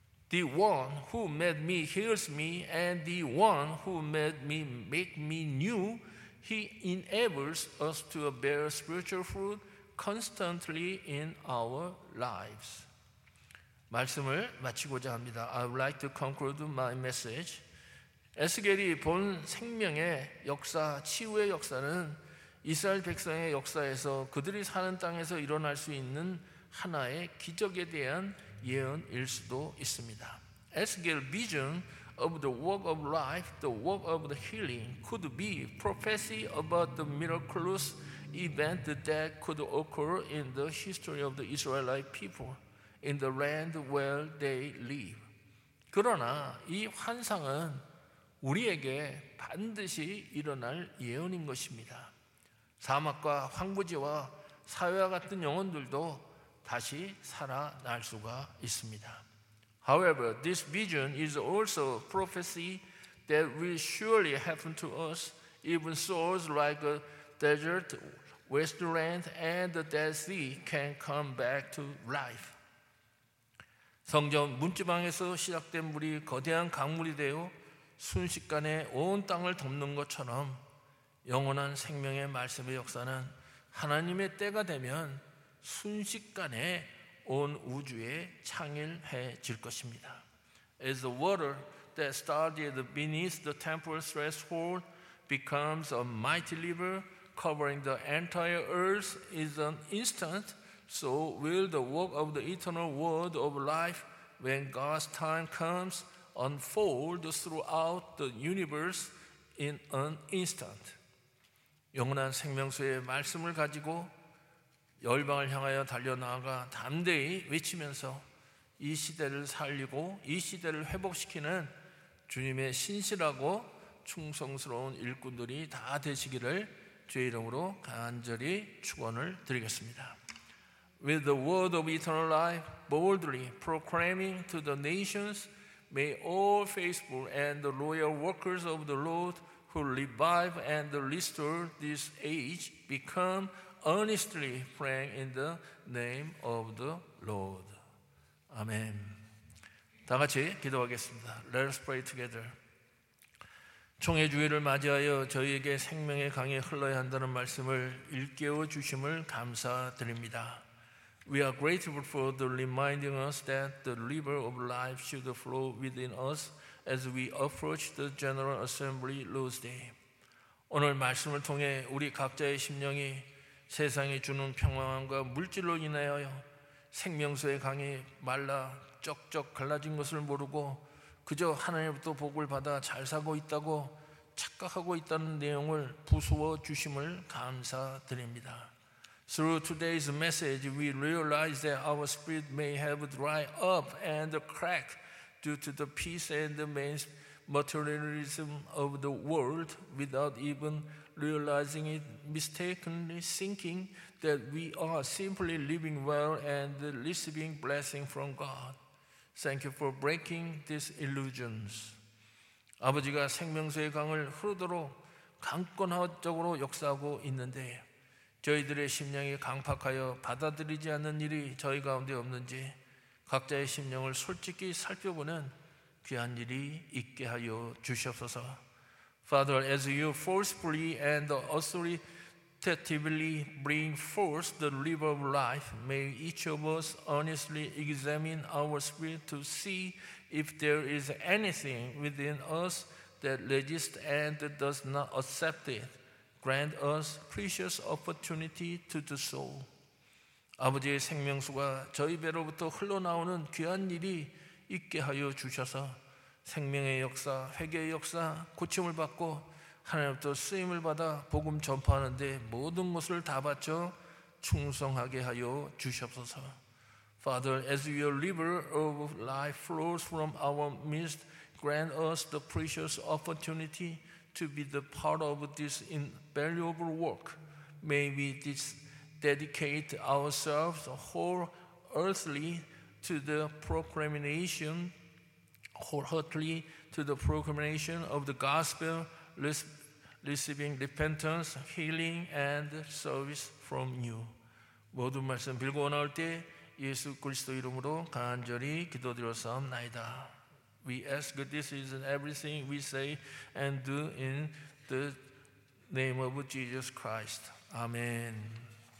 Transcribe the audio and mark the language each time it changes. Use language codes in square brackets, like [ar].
[en] The one who made me heals me and the one who made me make me new, he enables us to bear spiritual fruit constantly in our lives. [ko] 말씀을 마치고자 합니다. [en] I would like to conclude my message. [ko] 에스겔이 본 생명의 역사, 치유의 역사는 이스라엘 백성의 역사에서 그들이 사는 땅에서 일어날 수 있는 하나의 기적에 대한 예언일 수도 있습니다. [en] Ezekiel's vision of the work of life, the work of the healing could be prophecy about the miraculous event that could occur in the history of the Israelite people. In the land where they live. [ko] 그러나 이 환상은 우리에게 반드시 일어날 예언인 것입니다. 사막과 황무지와 사회와 같은 영혼들도 다시 살아날 수가 있습니다. [en] However, this vision is also prophecy that will surely happen to us, even souls like a desert wasteland and the Dead Sea can come back to life. [ko] 성전 문지방에서 시작된 물이 거대한 강물이 되어 순식간에 온 땅을 덮는 것처럼 영원한 생명의 말씀의 역사는 하나님의 때가 되면 순식간에 온 우주에 창일해질 것입니다. [en] As the water that started beneath the temple threshold becomes a mighty river covering the entire earth is an instant, so will the work of the eternal word of life when God's time comes unfold throughout the universe in an instant. [ko] 영원한 생명수의 말씀을 가지고 열방을 향하여 달려나가 담대히 외치면서 이 시대를 살리고 이 시대를 회복시키는 주님의 신실하고 충성스러운 일꾼들이 다 되시기를 주의 이름으로 간절히 축원을 드리겠습니다. [en] With the word of eternal life boldly proclaiming to the nations, may all faithful and the loyal workers of the Lord who revive and restore this age become earnestly praying in the name of the Lord. Amen. [ko] 다 같이 기도하겠습니다. [en] Let us pray together. [ko] 총회주의를 맞이하여 저희에게 생명의 강이 흘러야 한다는 말씀을 일깨워 주심을 감사드립니다. [en] We are grateful for the reminding us that the river of life should flow within us as we approach the General Assembly Lord's Day. [ko] 오늘 말씀을 통해 우리 각자의 심령이 세상이 주는 평안과 물질로 인하여 생명수의 강이 말라 쩍쩍 갈라진 것을 모르고 그저 하나님부터 복을 받아 잘 살고 있다고 착각하고 있다는 내용을 부수어 주심을 감사드립니다. [en] Through today's message, we realize that our spirit may have dried up and cracked due to the peace and the materialism of the world without even realizing it, mistakenly thinking that we are simply living well and receiving blessing from God. Thank you for breaking these illusions. [ko] 아버지가 생명수의 강을 흐르도록 강권적으로 역사하고 있는데 저희들의 심령이 강팍하여 받아들이지 않는 일이 저희 가운데 없는지 각자의 심령을 솔직히 살펴보는 귀한 일이 있게 하여 주시옵소서. [en] Father, as you forcefully and authoritatively bring forth the river of life, may each of us honestly examine our spirit to see if there is anything within us that resists and does not accept it. Grant us precious opportunity to do so. [ko] 아버지의 생명수가 저희 배로부터 흘러나오는 귀한 일이 있게 하여 주셔서 생명의 역사, 회개의 역사, 고침을 받고 하나님부터 쓰임을 받아 복음 전파하는 데 모든 것을 다 바쳐 충성하게 하여 주시옵소서. [en] Father, as your river of life flows from our midst, grant us the precious opportunity to be the part of this invaluable work. May we dedicate ourselves wholeheartedly to the proclamation of the gospel, receiving repentance, healing, and service from you. [ko] 모든 말씀 빌고 나올 때 예수 그리스도 이름으로 간절히 기도드렸사옵나이다. [en] We ask this is everything we say and do in the name of Jesus Christ. Amen.